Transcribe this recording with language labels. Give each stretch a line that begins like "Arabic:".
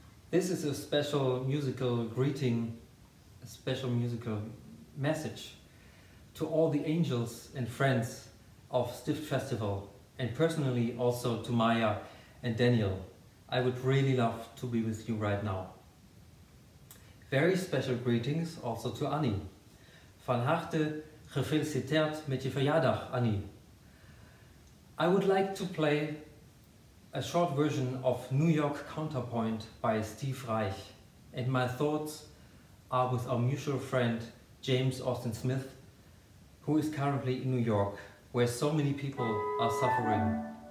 English: This is a special musical greeting, a special musical message to all the angels and friends of Stift Festival and personally also to Maja and Daniel. I would really love to be with you right now. Very special greetings also to Annie.
Dutch: Van harte gefeliciteerd met je verjaardag, Annie.
English: I would like to play a short version of New York Counterpoint by Steve Reich, and my thoughts are with our mutual friend James Austin Smith, who is currently in New York, where so many people are suffering.